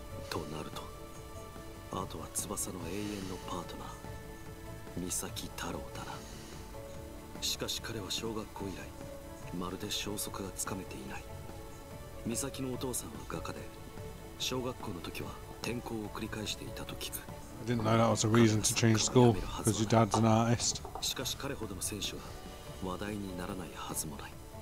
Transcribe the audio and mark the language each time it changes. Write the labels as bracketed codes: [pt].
[ja] となると、あとは翼の永遠のパートナー、三崎太郎だな。しかし彼は小学校以来、まるで消息がつかめていない。美咲のお父さんは画家で、小学校の時は転校を繰り返していたと聞く。 [en] I didn't know that was a reason to change school, because your dad's an artist. [ja] しかし彼ほどの選手は話題にならないはずもない。